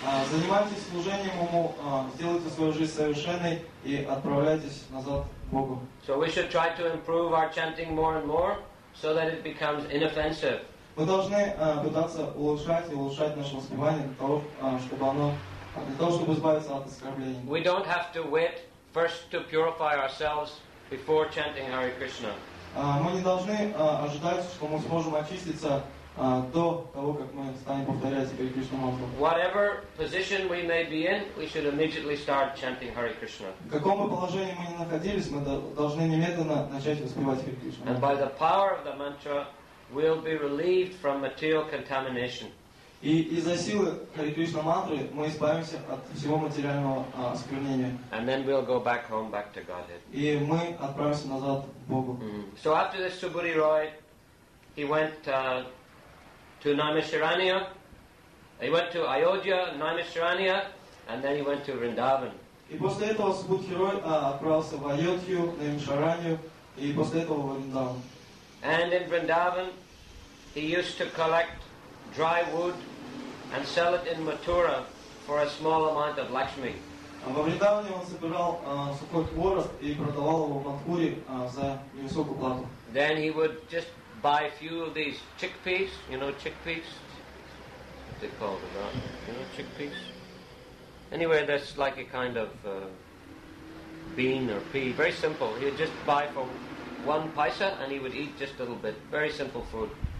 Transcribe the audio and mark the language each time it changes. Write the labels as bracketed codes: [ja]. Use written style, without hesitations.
[ru] Занимайтесь служением ему, сделайте свою жизнь совершенной и отправляйтесь назад к Богу. [en] So we should try to improve our chanting more and more so that it becomes inoffensive. [ru] Мы должны пытаться улучшать наше воспевание для того, чтобы избавиться от оскорблений. [en] We don't have to wait first to purify ourselves before chanting Hare Krishna. [ru] Мы не должны ожидать, что мы сможем очиститься до того, как мы станем повторять Хари Кришна мантру. [en] Whatever position we may be in, we should immediately start chanting Hari Krishna. [ru] В каком бы положении мы ни находились, мы должны немедленно начать воспевать Хари Кришна. [en] And by the power of the mantra, we'll be relieved from material contamination. [ru] И из-за силы Хари Кришна мантры мы избавимся от всего материального осквернения. [en] And then we'll go back home, back to Godhead. [ru] И мы отправимся назад к Богу. [en] So after this Subhuti Roy, he went to Naimisharanya. He went to Ayodhya, Naimisharanya, and then he went to Vrindavan. [ru] И после этого Субхути Рой отправился в Айодхью, Наймишаранью, и после этого в Вриндаван. [en] And in Vrindavan, he used to collect dry wood and sell it in Mathura for a small amount of Lakshmi. [ru] Во Вриндаване он собирал сухой хворост и продавал его в Мантхуре за невысокую плату. [en] Then he would just buy a few of these chickpeas, you know, chickpeas? What they call them, right? You know, chickpeas? Anyway, that's like a kind of bean or pea. Very simple. He would just buy from one paisa and he would eat just a little bit. Very simple food.